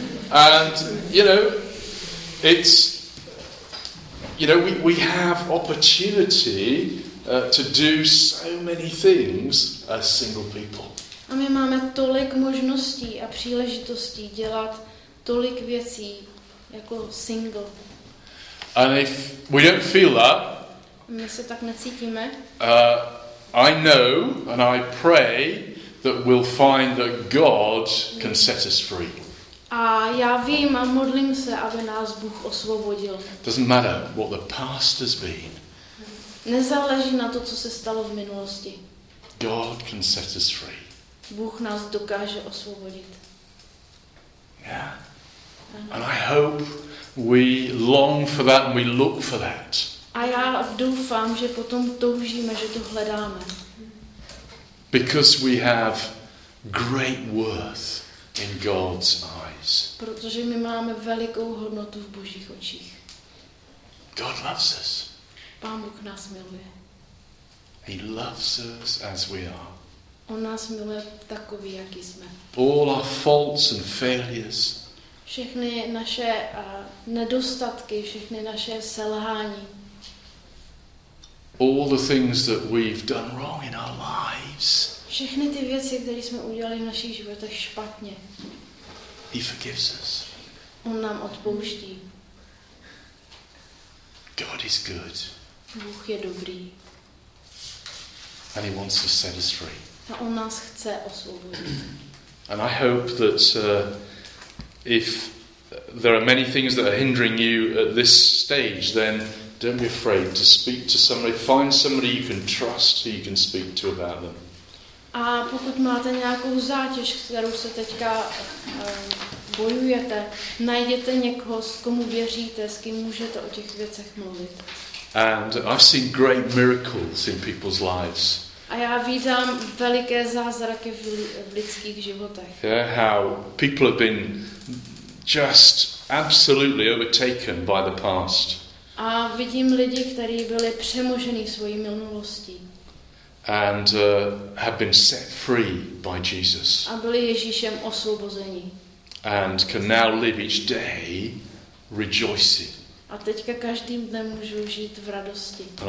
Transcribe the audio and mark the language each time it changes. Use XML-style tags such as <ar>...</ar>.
<en>And you know, it's you know, we have opportunity to do so many things as single people.</en> <cs>A my máme tolik možností a příležitostí dělat tolik věcí jako single.</cs> <en>And if we don't feel that,</en> <cs>my se tak necítíme.</cs> <en>I know and I pray that we'll find that God can set us free.</en> <cs>A já vím a modlím se, aby nás Bůh osvobodil.</cs> <en>Doesn't matter what the past has been.</en> <cs>Nezáleží na to, co se stalo v minulosti.</cs> <en>God can set us free.</en> <cs>Bůh nás dokáže osvobodit.</cs> <en>Yeah. And I hope we long for that and we look for that.</en> <cs>A já doufám, že potom toužíme, že to hledáme.</cs> <en>Because we have great worth in God's eyes.</en> <cs>Protože my máme velikou hodnotu v Božích očích.</cs> <en>God loves us.</en> <cs>Pán Bůh nás miluje.</cs> <en>He loves us as we are.</en> <cs>On nás miluje takový, jaký jsme.</cs> <en>All our faults and failures.</en> <cs>Všechny naše nedostatky, všechny naše selhání.</cs> <en>All the things that we've done wrong in our lives.</en> <cs>Všechny ty věci, které jsme udělali v našich životech špatně.</cs> <en>He forgives us.</en> <cs>On nám odpouští.</cs> <en>God is good.</en> <cs>Bůh je dobrý.</cs> <en>And he wants to set us free.</en> <cs>A on nás chce osvobodit.</cs> <en>And I hope that if there are many things that are hindering you at this stage, then don't be afraid to speak to somebody. Find somebody you can trust who you can speak to about them.</en> <cs>A pokud máte nějakou zátěž, kterou se teďka bojujete, najděte někoho, s komu věříte, s kým můžete o těch věcech mluvit.</cs> <en>And I've seen great miracles in people's lives.</en> <cs>A já vidím veliké zázraky v lidských životech.</cs> <en>Yeah, how people have been just absolutely overtaken by the past.</en> <cs>A vidím lidi, kteří byli přemoženi svojí minulostí.</cs> <en>And have been set free by Jesus.</en> <cs>A byli Ježíšem osvobozeni.</cs> <en>And can now live each day rejoicing</en> <cs>A teďka každým dnem můžu žít v radosti.</cs>